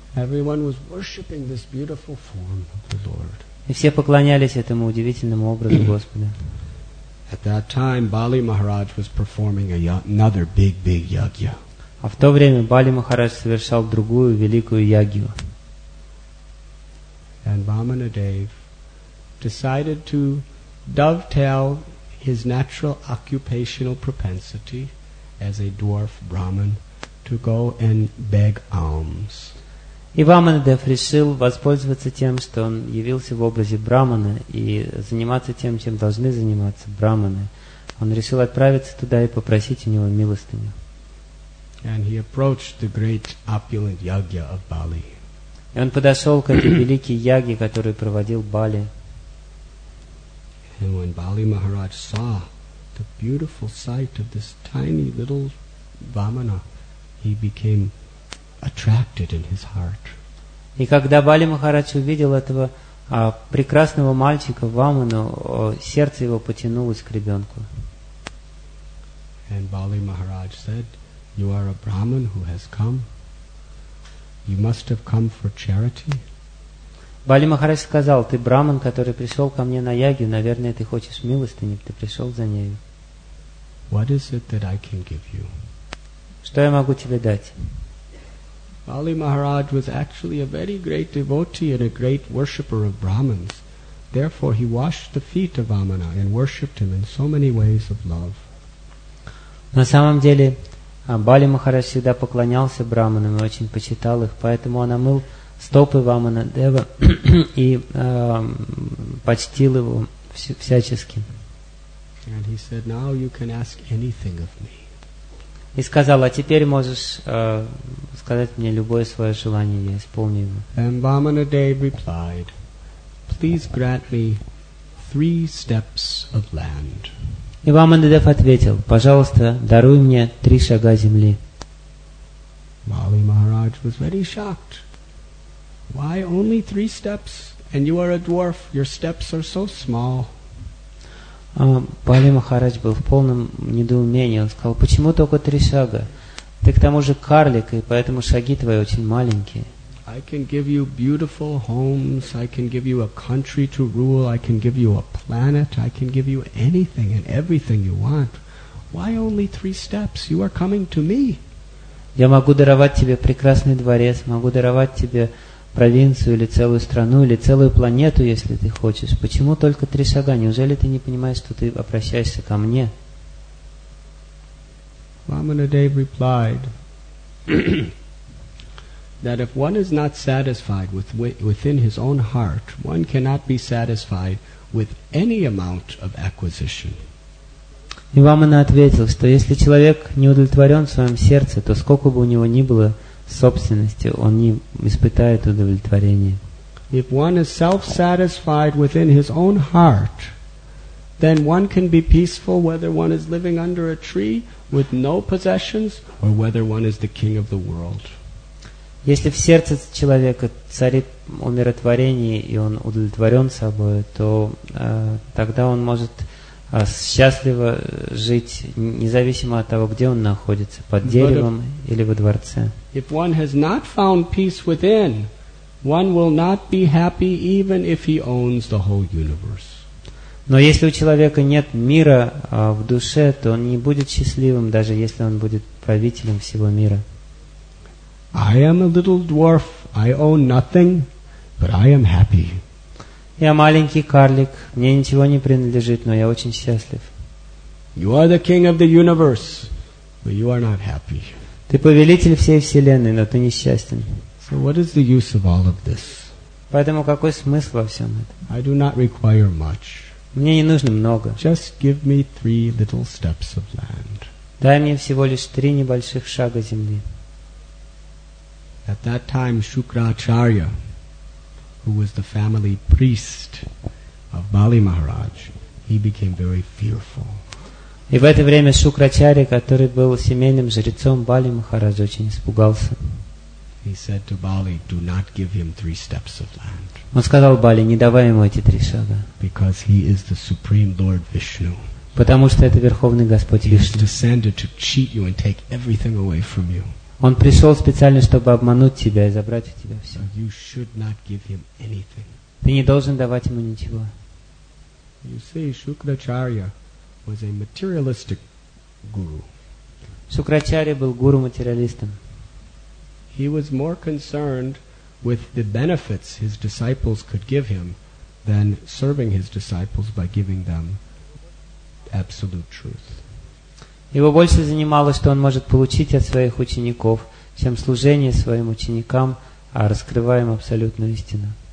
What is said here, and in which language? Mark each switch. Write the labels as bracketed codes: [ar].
[en] Everyone was worshiping this beautiful form of the Lord. [ru] И все поклонялись этому удивительному образу Господа. [en] At that time, Bali Maharaj was performing another big yagya. [ru] А в то время Бали Махарадж совершал другую великую ягью. [en] And Vamanadev decided to dovetail his natural occupational propensity as a dwarf Brahmin to go and beg alms. [ru] И Vamanadev решил воспользоваться тем, что он явился в образе Брахмана и заниматься тем, чем должны заниматься Брахманы. Он решил отправиться туда и попросить у него милостыню. [en] And he approached the great opulent yagya of Bali. [ru] И он подошел к этой великой яге, которую проводил Бали. [en] And when Bali Maharaj saw the beautiful sight of this tiny little Vamana, he became attracted in his heart. [ru] И когда Бали Махарадж увидел этого прекрасного мальчика Вамана, сердце его потянулось к ребенку. [en] And Bali Maharaj said, "You are a Brahmin who has come. You must have come for charity." [ru] Бали Махарадж сказал: "Ты Брахмин, который пришел ко мне на ягью, наверное, ты хочешь милостыни, ты пришел за нею." [en] What is it that I can give you? [ru] Что я могу тебе дать? [en] Bali Maharaj was actually a very great devotee and a great worshipper of Brahmins, Therefore, he washed the feet of Vamana and worshipped him in so many ways of love. [ru] На самом деле, Бали Махарадж всегда поклонялся браманам и очень почитал их, поэтому он омыл стопы Вамана Дева и почтил его всячески. [en] And he said, "Now you can ask anything of me." [ru] И сказал, а теперь можешь сказать мне любое свое желание, я исполню его. [en] And Vamanadeva replied, "Please grant me 3 steps of land." [ru] И Вамандадев ответил, пожалуйста, даруй мне 3 шага земли. [en] Бали Махарадж was very shocked. Why only 3 steps? And you are a dwarf. Your steps are so small. [ru] Бали Махарадж был в полном недоумении. Он сказал, почему только 3 шага? Ты к тому же карлик, и поэтому шаги твои очень маленькие. [en] I can give you beautiful homes, I can give you a country to rule, I can give you a planet, I can give you anything and everything you want. Why only 3 steps? You are coming to me. [ru] Я могу даровать тебе прекрасный дворец, могу даровать тебе провинцию или целую страну, или целую планету, если ты хочешь. Почему только 3 шага? Неужели ты не понимаешь, что ты обращаешься ко мне? [en] Vamanadev replied, that if one is not satisfied within his own heart, one cannot be satisfied with any amount of acquisition. [ru] И Вамана ответил, что если человек не удовлетворен в своем сердце, то сколько бы у него ни было собственности, он не испытает удовлетворения. [en] If one is self-satisfied within his own heart, then one can be peaceful whether one is living under a tree with no possessions or whether one is the king of the world. [ru] Если в сердце человека царит умиротворение, и он удовлетворен собой, то тогда он может счастливо жить, независимо от того, где он находится, под деревом или во дворце. [en] If one has not found peace within, one will not be happy even if he owns the whole universe. [ru] Но если у человека нет мира в душе, то он не будет счастливым, даже если он будет правителем всего мира. [en] I am a little dwarf. I own nothing, but I am happy. [ru] Я маленький карлик. Мне ничего не принадлежит, но я очень счастлив. [en] You are the king of the universe, but you are not happy. [ru] Ты повелитель всей вселенной, но ты несчастен. [en] So what is the use of all of this? [ru] Поэтому какой смысл во всем этом? [en] I do not require much. [ru] Мне не нужно много. [en] Just give me 3 little steps of land. [ru] Дай мне всего лишь 3 небольших шага земли. [en] At that time, Shukracharya, who was the family priest of Бали Махарадж, he became very fearful. [ru] И в это время Шукрачарья, который был семейным жрецом Бали Махараджа, очень испугался. [en] He said to Bali, "Do not give him 3 steps of land." [ru] Он сказал Бали, не давай ему эти 3 шага. [en] Because he is the supreme Lord Vishnu. [ru] Потому что это верховный Господь Вишну. [en] He has descended to cheat you and take everything away from you. [ru] Он пришел специально, чтобы обмануть тебя и забрать у тебя все. [en] You should not give him anything. [ru] Ты не должен давать ему ничего. [en] You see, Shukracharya was a materialistic guru. [ru] Шукрачарья был гуру-материалистом. [en] He was more concerned with the benefits his disciples could give him than serving his disciples by giving them absolute truth. [ru] Его больше занимало, что он может получить от своих учеников, чем служение своим ученикам, а раскрываем абсолютную истину.